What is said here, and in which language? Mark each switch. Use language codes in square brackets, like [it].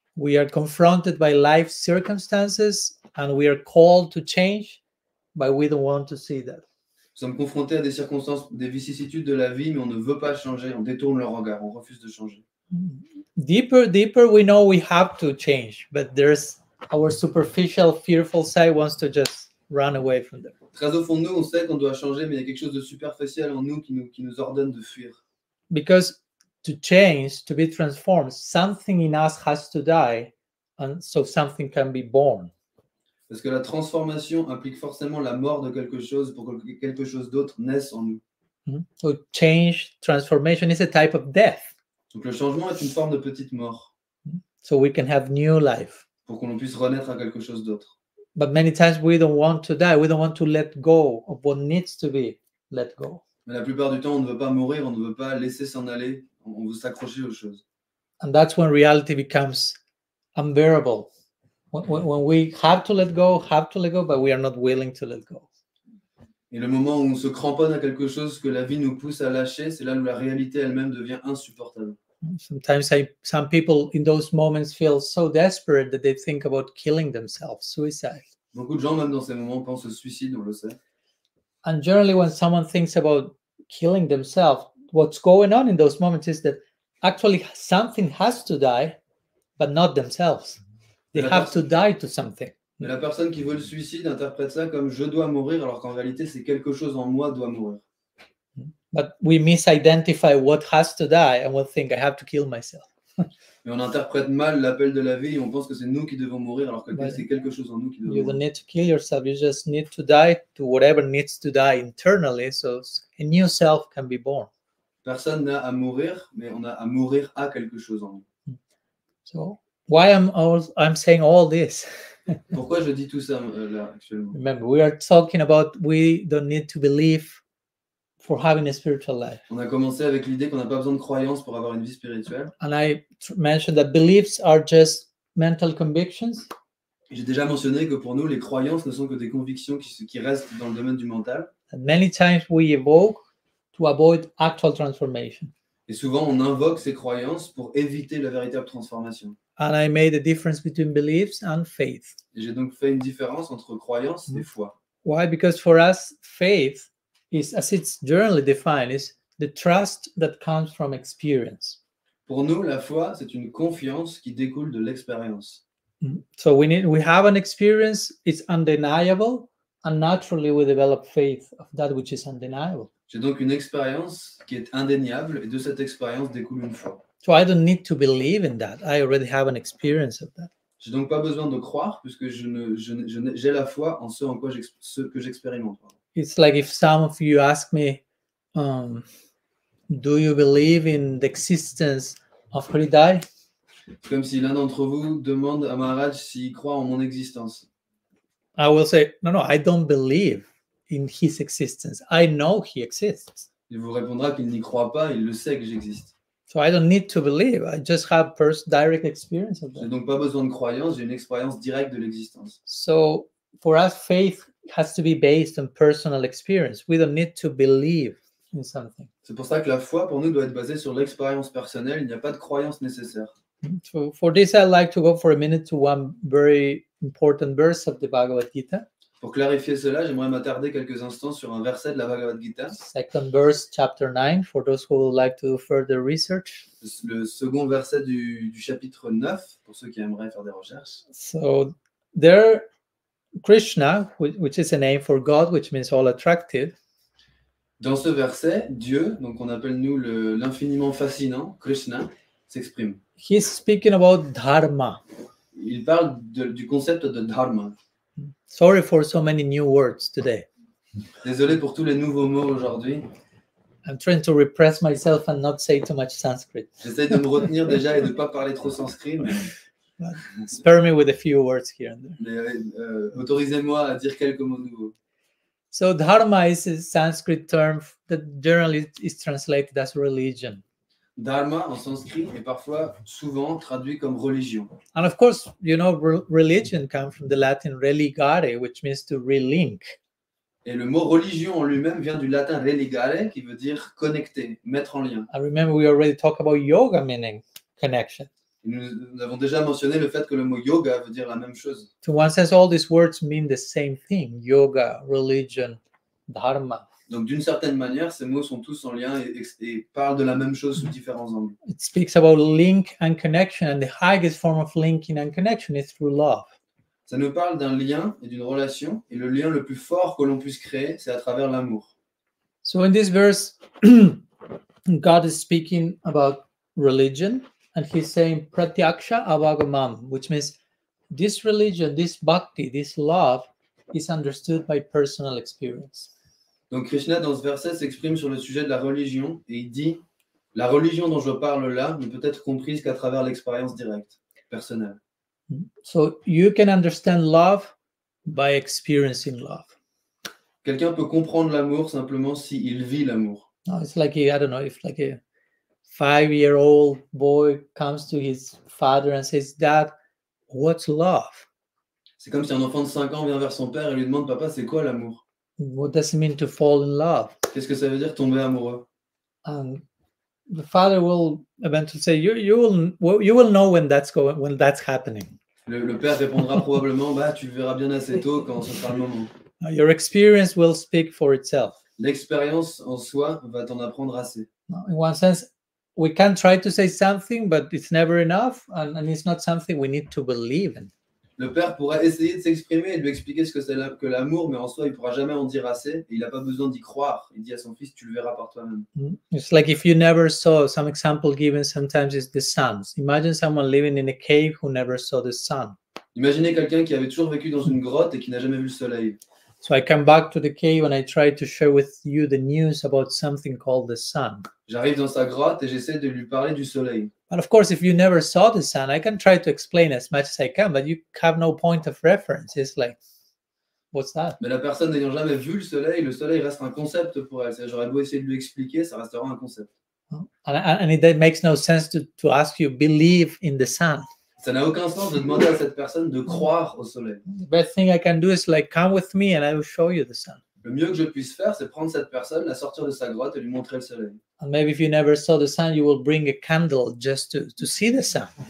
[en] We are confronted by life circumstances and we are called to change, but we don't want to see that. [fr] Nous sommes confrontés à des circonstances, des vicissitudes de la vie, mais on ne veut pas changer, on détourne le regard, on refuse de changer. [en] Deeper, we know we have to change, but there's our superficial, fearful side wants to just run away from there. [fr] Très au fond de nous, on sait qu'on doit changer, mais il y a quelque chose de superficiel en nous qui nous ordonne de fuir. [en] Because to change, to be transformed, something in us has to die, and so something can be born. [fr] Parce que la transformation implique forcément la mort de quelque chose pour que quelque chose d'autre naisse en nous. [en] So change, transformation is a type of death. [fr] Donc le changement est une forme de petite mort. [en] So we can have new life. [fr] Pour qu'on puisse renaître à quelque chose d'autre. [en] But many times we don't want to die, we don't want to let go of what needs to be let go. [fr] Mais la plupart du temps, on ne veut pas mourir, on ne veut pas laisser s'en aller, on veut s'accrocher aux choses. [en] And that's when reality becomes unbearable. When we have to let go, but we are not willing to let go. [fr] Et le moment où on se cramponne à quelque chose que la vie nous pousse à lâcher, c'est là où la réalité elle-même devient insupportable. [en] Sometimes some people in those moments feel so desperate that they think about killing themselves, suicide. [fr] Beaucoup de gens même dans ces moments pensent au suicide, on le sait. [en] And generally when someone thinks about killing themselves, what's going on in those moments is that actually something has to die, but not themselves. They have to die to something. [fr] Mais la personne qui veut le suicide interprète ça comme je dois mourir, alors qu'en réalité c'est quelque chose en moi doit mourir. [en] But we misidentify what has to die and we think I have to kill myself. [fr] Mais on interprète mal l'appel de la vie et on pense que c'est nous qui devons mourir alors que c'est quelque chose en nous qui devons you mourir. [en] You don't need to kill yourself, you just need to die to whatever needs to die internally so a new self can be born. [fr] Personne n'a à mourir, mais on a à mourir à quelque chose en nous. [en] So, why I'm saying all this? [fr] Pourquoi je dis tout ça là actuellement? [en] Remember, we are talking about we don't need to believe for having a spiritual life. [fr] On a commencé avec l'idée qu'on n'a pas besoin de croyance pour avoir une vie spirituelle. [en] And I mentioned that beliefs are just mental convictions. [fr] J'ai déjà mentionné que pour nous, les croyances ne sont que des convictions qui restent dans le domaine du mental. [en] And many times we evoke to avoid actual transformation. [fr] Et souvent, on invoque ces croyances pour éviter la véritable transformation. [en] And I made a difference between beliefs and faith. [fr] Et j'ai donc fait une différence entre croyance et foi. [en] Why? Because for us, faith is, as it's generally defined, is the trust that comes from experience. [fr] Pour nous, la foi, c'est une confiance qui découle de l'expérience. [en] So we have an experience, it's undeniable, and naturally we develop faith of that which is undeniable. [fr] J'ai donc une expérience qui est indéniable, et de cette expérience découle une foi. [en] So I don't need to believe in that, I already have an experience of that. [fr] J'ai donc pas besoin de croire, puisque j'ai la foi en ce en quoi ce que j'expérimente. [en] It's like if some of you ask me, do you believe in the existence of Hriday? [fr] Comme si l'un d'entre vous demande à Maharaj s'il croit en mon existence. [en] I will say, no, I don't believe in his existence. I know he exists. [fr] Il vous répondra qu'il n'y croit pas, il le sait que j'existe. [en] So I don't need to believe, I just have first direct experience of that. [fr] J'ai donc pas besoin de croyance, j'ai une expérience directe de l'existence. [en] So for us, faith has to be based on personal experience. We don't need to believe in something. [fr] C'est pour ça que la foi pour nous doit être basée sur l'expérience personnelle. Il n'y a pas de croyance nécessaire. [en] So for this, I'd like to go for a minute to one very important verse of the Bhagavad Gita. [fr] Pour clarifier cela, j'aimerais m'attarder quelques instants sur un verset de la Bhagavad Gita. [en] Second verse, chapter 9, for those who would like to do further research. [fr] Le second verset du chapitre 9, pour ceux qui aimeraient faire des recherches. [en] So, there, Krishna, which is a name for God, which means all attractive. [fr] Dans ce verset, Dieu, donc on appelle nous l'infiniment fascinant, Krishna, s'exprime. [en] He's speaking about dharma. [fr] Il parle du concept de dharma. [en] Sorry for so many new words today. [fr] Désolé pour tous les nouveaux mots aujourd'hui. [en] I'm trying to repress myself and not say too much Sanskrit. [fr] J'essaie de me retenir déjà et de pas parler trop sanskrit. [en] Spare me with a few words here and there. [fr] Autorisez-moi à dire quelques mots nouveaux. [en] So dharma is a Sanskrit term that generally is translated as religion. [fr] Dharma en sanskrit est parfois souvent traduit comme religion. [en] And of course, you know, religion comes from the Latin religare, which means to relink. [fr] Et le mot religion en lui-même vient du latin religare, qui veut dire connecter, mettre en lien. [en] I remember we already talked about yoga meaning connection. [fr] Nous avons déjà mentionné le fait que le mot yoga veut dire la même chose. [en] To one sense, all these words mean the same thing: yoga, religion, dharma. [fr] Donc d'une certaine manière, ces mots sont tous en lien et parlent de la même chose sous différents angles. [en] It speaks about link and connection, and the highest form of linking and connection is through love. [fr] Ça nous parle d'un lien et d'une relation, et le lien le plus fort que l'on puisse créer, c'est à travers l'amour. [en] So in this verse, God is speaking about religion, and he's saying pratyaksha avagamam, which means this religion, this bhakti, this love is understood by personal experience. [fr] Donc Krishna dans ce verset s'exprime sur le sujet de la religion et il dit « La religion dont je parle là ne peut être comprise qu'à travers l'expérience directe, personnelle. » [en] So you can understand love by experiencing love. [fr] Quelqu'un peut comprendre l'amour simplement s'il vit l'amour. [en] Oh, it's like, I don't know, if like a five-year-old boy comes to his father and says, « Dad, what's love? » [fr] C'est comme si un enfant de 5 ans vient vers son père et lui demande « Papa, c'est quoi l'amour ?» [en] What does it mean to fall in love? [fr] Qu'est-ce que ça veut dire tomber amoureux? [en] And the father will eventually say, "You will know when that's going, when that's happening." [fr] Le père répondra probablement, bah, tu verras bien assez tôt quand ce sera le moment. [en] Your experience will speak for itself. [fr] L'expérience en soi va t'en apprendre assez. [en] In one sense, we can try to say something, but it's never enough, and it's not something we need to believe in. [fr] Le père pourrait essayer de s'exprimer et de lui expliquer ce que c'est que l'amour, mais en soi, il ne pourra jamais en dire assez. Et il n'a pas besoin d'y croire. Il dit à son fils, tu le verras par toi-même. [en] It's like if you never saw, some example given sometimes is the sun. Imagine someone living in a cave who never saw the sun. [fr] Imaginez quelqu'un qui avait toujours vécu dans une grotte et qui n'a jamais vu le soleil. [en] So I come back to the cave and I try to share with you the news about something called the sun. [fr] J'arrive dans sa grotte et j'essaie de lui parler du soleil. [en] But of course, if you never saw the sun, I can try to explain as much as I can, but you have no point of reference. It's like, what's that? [fr] Mais la personne n'ayant jamais vu le soleil reste un concept pour elle. C'est-à-dire, j'aurais beau essayer de lui expliquer, ça restera un concept. [en] And it makes no sense to ask you, believe in the sun. [fr] Ça n'a aucun sens de demander à cette personne de croire au soleil. [en] The best thing I can do is like, come with me and I will show you the sun. [fr] Le mieux que je puisse faire, c'est prendre cette personne, la sortir de sa grotte et lui montrer le soleil. [en] And maybe if you never saw the sun, you will bring a candle just to see the sun.